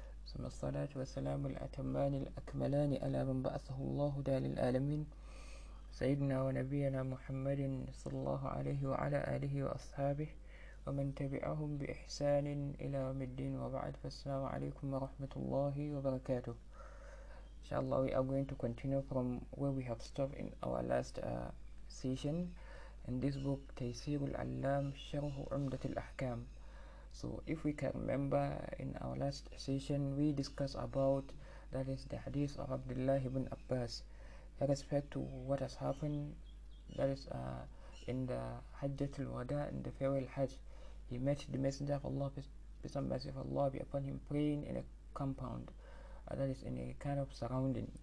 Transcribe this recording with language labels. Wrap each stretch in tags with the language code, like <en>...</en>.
<ar>ثم الصلاة والسلام الأتمان الأكملان على من بعثه الله داعي للعالمين، سيدنا ونبينا محمد صلى الله عليه وعلى آله وأصحابه ومن تبعهم بإحسان إلى يوم الدين، وبعد. فالسلام عليكم ورحمة الله وبركاته. إن شاء الله</ar> <en>we are going to continue from where we have stopped in our last session. In this book, تيسير العلام شرح عمدة الأحكام. So if we can remember, in our last session we discussed about, that is, the hadith of Abdullah ibn Abbas. In respect to what has happened, that is in the Hajjat al-Wada, in the farewell Hajj, he met the Messenger of Allah, peace and blessings of Allah be upon him, praying in a compound, that is in a kind of surrounding.</en>